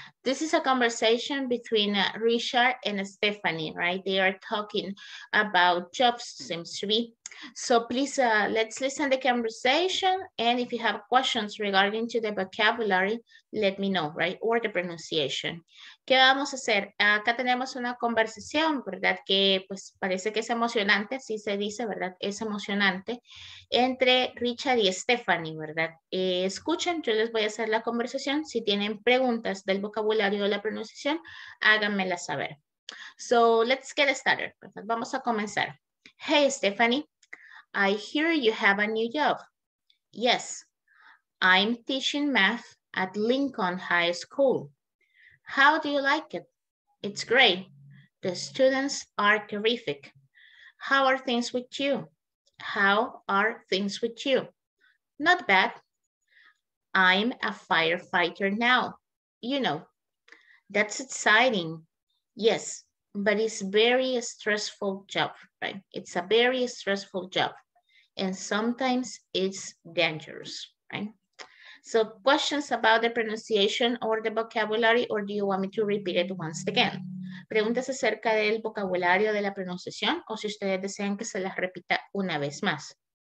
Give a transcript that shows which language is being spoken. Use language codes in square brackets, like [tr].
[en] This is a conversation between Richard and Stephanie, right? They are talking about jobs, seems to be. So please, let's listen to the conversation. And if you have questions regarding to the vocabulary, let me know, right? Or the pronunciation. [es] ¿Qué vamos a hacer? Acá tenemos una conversación, ¿verdad? Que pues parece que es emocionante, así se dice, ¿verdad? Es emocionante. Entre Richard y Stephanie, ¿verdad? Escuchen, yo les voy a hacer la conversación. Si tienen preguntas del vocabulario o la pronunciación, háganmela saber. [en] So let's get started, [es] ¿verdad? Vamos a comenzar. [en] Hey, Stephanie, I hear you have a new job. Yes, I'm teaching math at Lincoln High School. How do you like it? It's great. The students are terrific. How are things with you? How are things with you? Not bad. I'm a firefighter now, you know. That's exciting. Yes, but it's very stressful job, right? It's a very stressful job. And sometimes it's dangerous, right? So questions about the pronunciation or the vocabulary, or do you want me to repeat it once again? [es] Preguntas acerca del vocabulario de la pronunciación o si ustedes desean que se las repita una vez más.